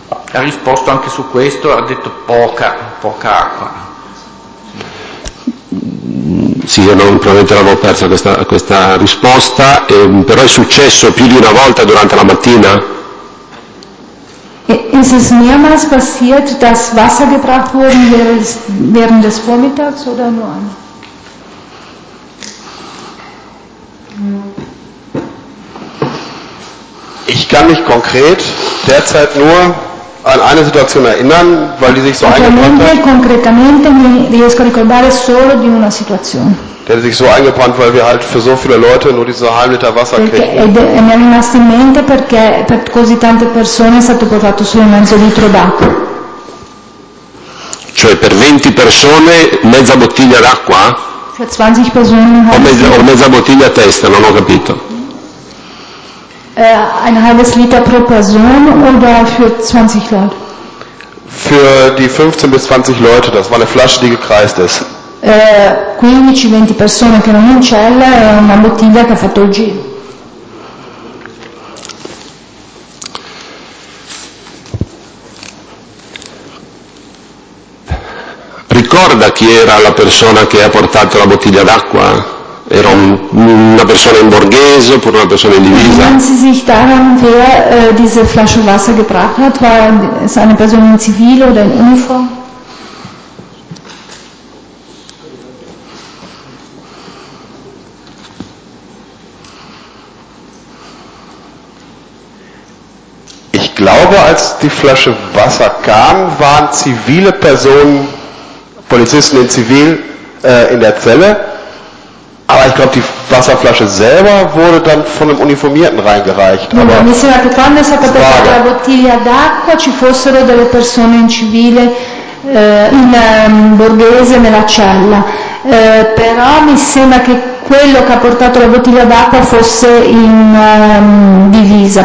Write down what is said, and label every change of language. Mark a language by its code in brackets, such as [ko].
[it] Ha risposto anche su questo, ha detto poca acqua. Sì, io non, probabilmente l'avevo persa questa risposta, però è successo più di una volta durante la mattina? [de] Ist es mehrmals passiert, dass Wasser gebracht wurde während des Vormittags oder nur einmal? Ich kann mich konkret derzeit nur an eine Situation erinnern, weil die sich so eingebrannt hat. [it] Konkretamente mi riesco a ricordare solo di una situazione. [de] Der hat sich so eingebrannt, weil wir halt für so viele Leute nur diese halbe Liter Wasser kriegen. [it] Mi è rimasto in mente perché per così tante persone è stato portato solo mezzo litro d'acqua. Cioè per 20 persone mezza bottiglia d'acqua? [de] Für 20 Personen [it] mezza bottiglia a testa, non ho capito. [de] Ein halbes Liter pro Person oder für 20 Leute? Für die 15 bis 20 Leute, das war eine Flasche, die gekreist ist. 15-20 persone che non in cella e una bottiglia che ha fatto il giro. [it] Ricorda chi era la persona che ha portato la bottiglia d'acqua? Era una persona in borghese oppure una persona in divisa? [de] Erinnern Sie sich daran, wer diese Flasche Wasser gebracht hat? War es eine Person in Zivil oder in Uniform? Ich glaube, als die Flasche Wasser kam, waren zivile Personen, Polizisten in Zivil, in der Zelle. Aber ich glaube, die Wasserflasche selber wurde dann von einem Uniformierten reingereicht. Aber [it] mi sembra che quando è stata portata la bottiglia d'acqua ci fossero delle persone in civile, in borghese nella cella. Però mi sembra che quello che ha portato la bottiglia d'acqua fosse in divisa.